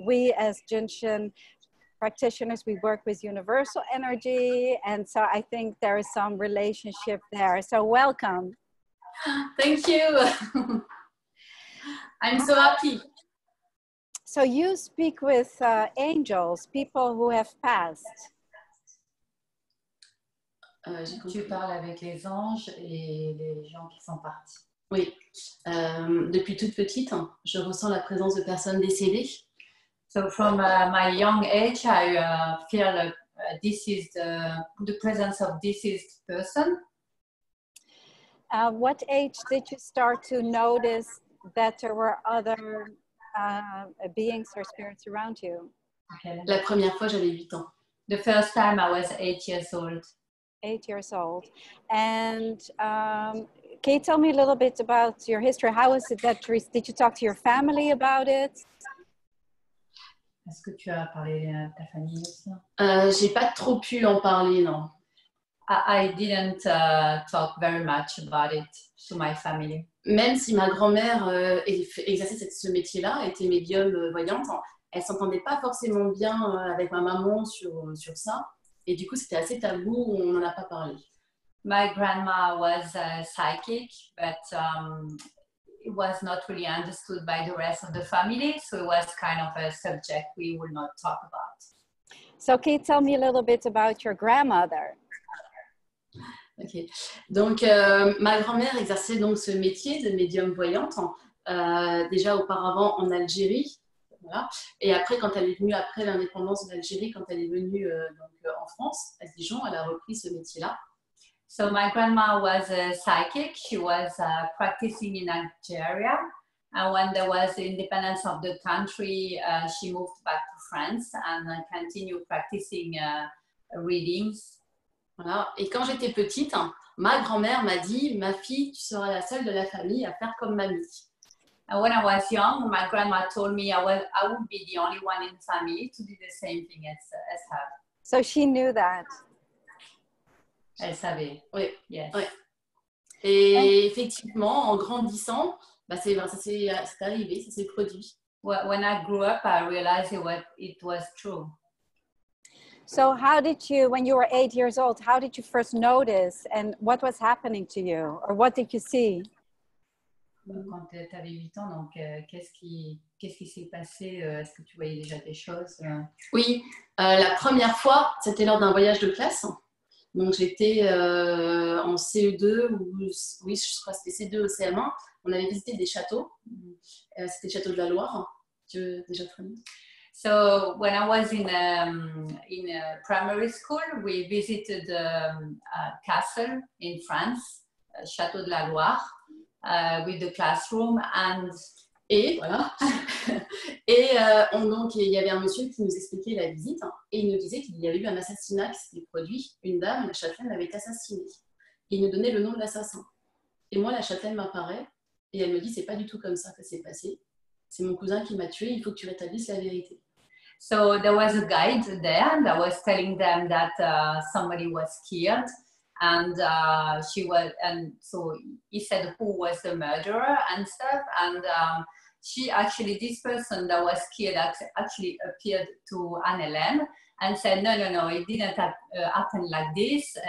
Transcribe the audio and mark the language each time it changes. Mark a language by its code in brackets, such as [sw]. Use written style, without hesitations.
[en] We as Jinshin practitioners, we work with universal energy. And so I think there is some relationship there. So welcome. Thank you. I'm so happy. So you speak with angels, people who have passed. [fr] Tu parles avec les anges et les gens qui sont partis. Oui. Depuis toute petite, je ressens la présence de personnes décédées. [en] So from my young age, I feel this is the presence of deceased person. What age did you start to notice that there were other beings or spirits around you? [fr] La première fois, j'avais 8 ans. [en] The first time, I was 8 years old. 8 years old. And can you tell me a little bit about your history? How was it that, did you talk to your family about it? [fr] Est-ce que tu as parlé à ta famille aussi? J'ai pas trop pu en parler, non. [en] I didn't talk very much about it to my family. [fr] Même si ma grand-mère exerçait ce métier-là, était médium voyante, elle s'entendait pas forcément bien avec ma maman sur ça. Et du coup, c'était assez tabou, on n'en a pas parlé. [en] My grandma was psychic, but it was not really understood by the rest of the family, so it was kind of a subject we would not talk about. So can you tell me a little bit about your grandmother? Okay. [fr] Donc, ma grand-mère exerçait donc ce métier de médium voyante, déjà auparavant en Algérie, voilà. Et après, quand elle est venue après l'indépendance d'Algérie, quand elle est venue donc, en France, à Dijon, elle a repris ce métier-là. [en] So my grandma was a psychic. She was practicing in Algeria. And when there was the independence of the country, she moved back to France and continued practicing readings. [fr] Voilà. Et quand j'étais petite, ma grand-mère m'a dit, ma fille, tu seras la seule de la famille à faire comme mamie. [en] And when I was young, my grandma told me I would be the only one in the family to do the same thing as her. So she knew that. [fr] Elle savait. Oui. [en] Yes. [fr] Oui. Et effectivement, en grandissant, c'est arrivé, ça s'est produit. [en] When I grew up, I realized it was true. So how did you, when you were 8 years old, how did you first notice and what was happening to you? Or what did you see? [fr] Quand tu avais 8 ans, donc qu'est-ce qui s'est passé? Est-ce que tu voyais déjà des choses? Oui, la première fois, c'était lors d'un voyage de classe. Donc j'étais en CE2, oui je crois que c'était CE2 au CM1, on avait visité des châteaux, c'était le château de la Loire, tu veux déjà te rappeler? [en] So when I was in a primary school, we visited a castle in France, château de la Loire, with the classroom and... [fr] Et voilà, il y avait un monsieur qui nous expliquait la visite et il nous disait qu'il y avait eu un assassinat qui s'était produit. Une dame, la châtelaine, l'avait assassinée. Il nous donnait le nom de l'assassin. Et moi, la châtelaine m'apparaît et elle me dit, c'est pas du tout comme ça que c'est passé. C'est mon cousin qui m'a tué, il faut que tu rétablisses la vérité. [en] So there was a guide there that was telling them that somebody was killed. And he said who was the murderer and stuff. And this person that was killed actually appeared to Anne-Helene and said, no, it didn't happen like this.